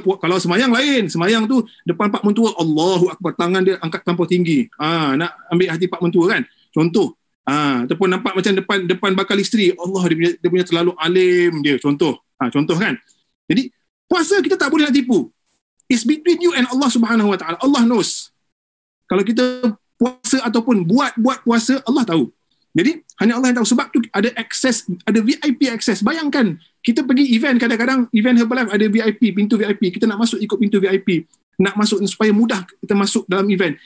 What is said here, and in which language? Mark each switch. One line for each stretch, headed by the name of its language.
Malay: Kalau semayang lain, semayang tu depan pak mentua, Allahu Akbar, tangan dia angkat tampau tinggi. Nak ambil hati pak mentua kan? Contoh. Ataupun nampak macam depan bakal isteri, Allah dia punya terlalu alim dia. Contoh. Contoh kan? Jadi, puasa kita tak boleh nak tipu.
English: It's between you and Allah Subhanahu Wa Taala. Allah knows.
Malay: Kalau kita puasa ataupun buat puasa, Allah tahu. Jadi, hanya Allah yang tahu. Sebab tu ada access, ada
English: VIP access.
Malay: Bayangkan, kita pergi event, kadang-kadang event Herbalife ada VIP, pintu VIP. Kita nak masuk ikut pintu VIP. Nak masuk supaya mudah kita masuk dalam event.